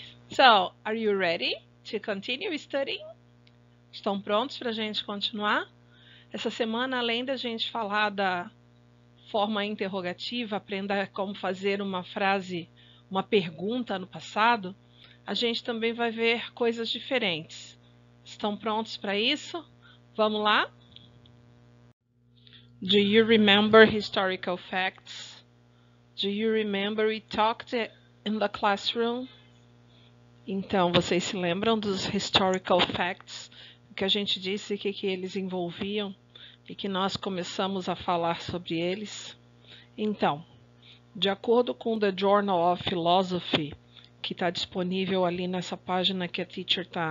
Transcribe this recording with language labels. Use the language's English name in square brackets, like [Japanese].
[English] So, are you ready to continue studying? [Portuguese] Estão prontos para a gente continuar? Essa semana, além da gente falar da forma interrogativa, aprenda como fazer uma frase, uma pergunta no passado, a gente também vai ver coisas diferentes. Estão prontos para isso? Vamos lá? [English] Do you remember historical facts? Do you remember we talked in the classroom? [Portuguese] Então, vocês se lembram dos historical facts que a gente disse que eles envolviam e que nós começamos a falar sobre eles? Então, de acordo com The Journal of Philosophy, que está disponível ali nessa página que a teacher